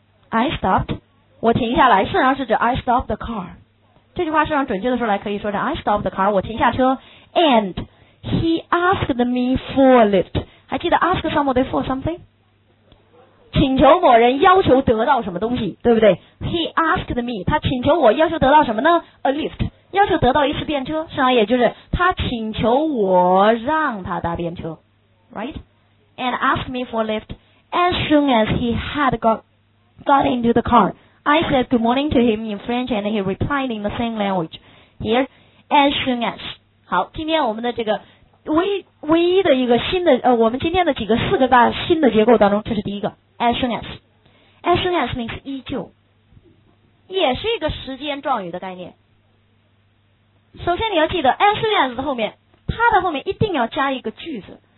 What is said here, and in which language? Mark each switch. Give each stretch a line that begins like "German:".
Chinese: I stopped, 我停下来，事实上是指
English: I stopped the car。
Chinese: 这句话事实上准确的说来可以说是
English: I stopped the car,
Chinese: 我停下车。
English: And he asked me for a lift,
Chinese: 还记得
English: ask somebody for something?
Chinese: 请求某人要求得到什么东西，对不对？
English: He asked me,
Chinese: 他请求我要求得到什么呢？ A lift,要求得到一次便车，实际上也就是他请求我让他搭便车 right?
English: And asked me for a lift. As soon as he had got into the car, I said good morning to him in French and he replied in the same language. Here, as soon as.
Chinese: 好，今天我们的这个唯一的一个新的我们今天的几个四个大新的结构当中，这是第一个 as soon as. As soon as means 依旧，也是一个时间状语的概念。首先你要记得 as soon as 的后面，它的后面一定要加一个句子，